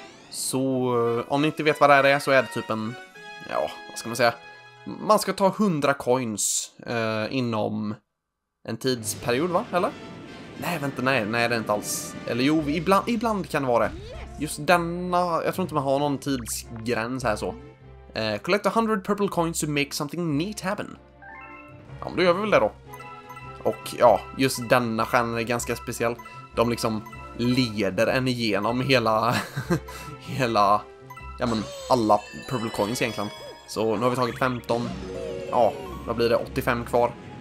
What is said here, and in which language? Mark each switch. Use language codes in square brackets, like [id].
[sv] Så om ni inte vet vad det här är, så är det typ en, ja, vad ska man säga, man ska ta 100 coins inom en tidsperiod, va? Eller? Nej, det är inte alls. Eller jo, ibland kan det vara det. Just denna, jag tror inte man har någon tidsgräns här så. [en] Collect 100 purple coins to make something neat happen. [sv] Ja, men då gör vi väl det då. Och ja, just denna stjärna är ganska speciell. De liksom leder en igenom hela, hela, ja men alla purple coins egentligen. Så nu har vi tagit 15, ja, då blir det 85 kvar.